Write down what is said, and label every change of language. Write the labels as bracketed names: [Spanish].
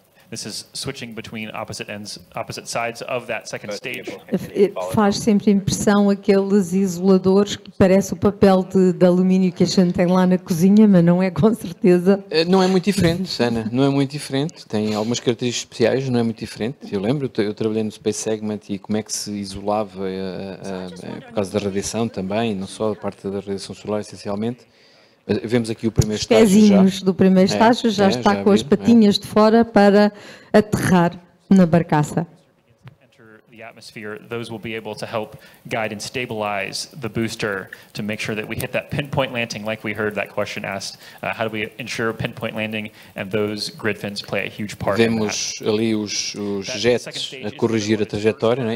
[English] This is switching between opposite ends, opposite sides of that second stage. [Portuguese] Faz sempre impressão aqueles isoladores que parece o papel de alumínio que a gente tem lá na cozinha, mas não é com certeza. Não é muito diferente, Ana. Não é muito diferente. Tem algumas características especiais, não é muito diferente. Eu lembro, eu trabalhei no Space Segment e como é que se isolava por causa da radiação também, não só a parte da radiação solar essencialmente. Vemos aqui o primeiro estágio. Os pezinhos do primeiro estágio já está com as patinhas de fora para aterrar na barcaça. [English] Atmosphere, those will be able to help guide and stabilize the booster to make sure that we hit that pinpoint landing like we heard that question asked. How do we ensure pinpoint landing and those grid fins play a huge part. [Portuguese] Vemos ali os jets a corrigir a trajetória, né?